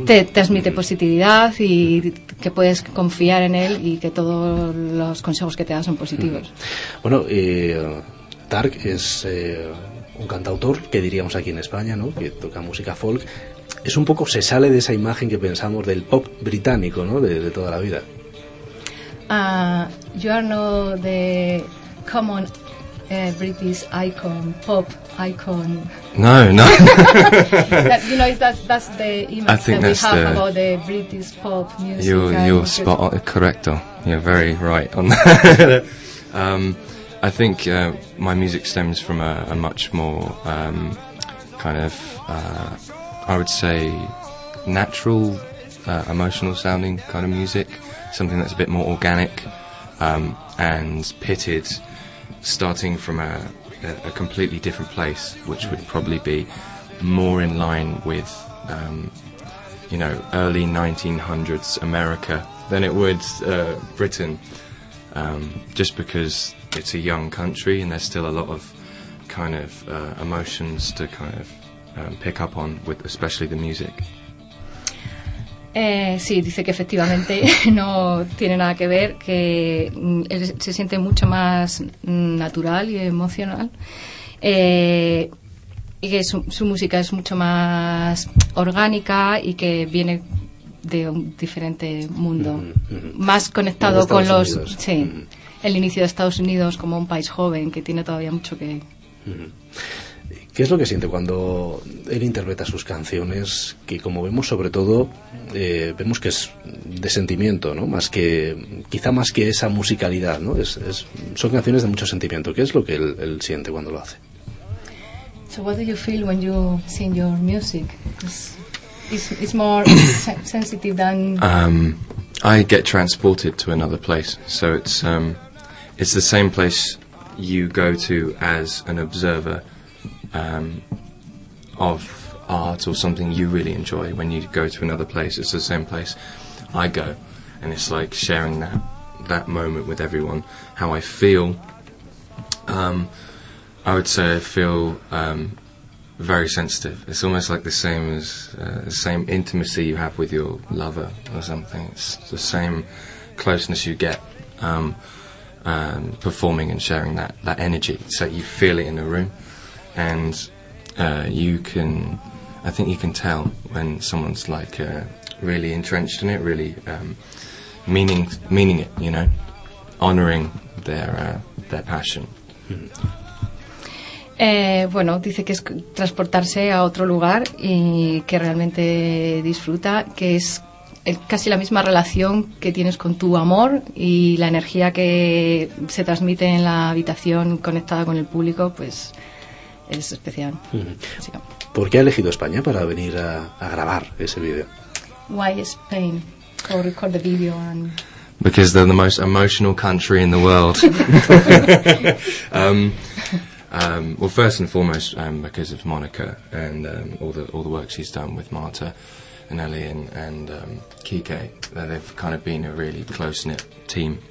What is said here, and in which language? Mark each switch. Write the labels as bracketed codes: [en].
[es] Te transmite positividad y que puedes confiar en él y que todos los consejos que te da son positivos. Bueno, Tark es un cantautor que diríamos aquí en España, ¿no? Que toca música folk. Es un poco, se sale de esa imagen que pensamos del pop británico, ¿no? De toda la vida. [en] You are not the common British icon, pop icon. [es] No, no. [en] You know, that's the image that we have about the British pop music. You're spot on, correcto. You're very right on that. I think my music stems from a much more kind of... I would say natural, emotional sounding kind of music, something that's a bit more organic and pitted, starting from a completely different place, which would probably be more in line with, you know, early 1900s America than it would Britain, just because it's a young country and there's still a lot of kind of emotions to kind of pick up on with especially the music. [es] Sí, dice que efectivamente no tiene nada que ver, que él se siente mucho más natural y emocional, y que su música es mucho más orgánica y que viene de un diferente mundo, más conectado con los Unidos. Sí, el inicio de Estados Unidos como un país joven que tiene todavía mucho que... ¿Qué es lo que siente cuando él interpreta sus canciones? Que como vemos sobre todo, vemos que es de sentimiento, ¿no? Más que, quizá más que esa musicalidad, ¿no? Son canciones de mucho sentimiento. ¿Qué es lo que él siente cuando lo hace? [en] So what do you feel when you sing your music? It's more sensitive than... I get transported to another place. So it's the same place you go to as an observer of art or something you really enjoy. When you go to another place, it's the same place I go, and it's like sharing that moment with everyone, how I feel. I would say I feel very sensitive. It's almost like the same as the same intimacy you have with your lover or something. It's the same closeness you get performing and sharing that energy. So you feel it in the room. And I think you can tell when someone's like really entrenched in it, really meaning it, you know, honoring their passion. [es] Bueno, dice que es transportarse a otro lugar y que realmente disfruta, que es casi la misma relación que tienes con tu amor y la energía que se transmite en la habitación conectada con el público, pues. Es especial. Mm-hmm. Sí. ¿Por qué ha elegido España para venir a grabar ese video? [en] Why Spain to record the video? And because they're the most emotional country in the world. Well, first and foremost, because of Monica and all the work she's done with Marta, Anneli and Kike, they've kind of been a really close-knit team.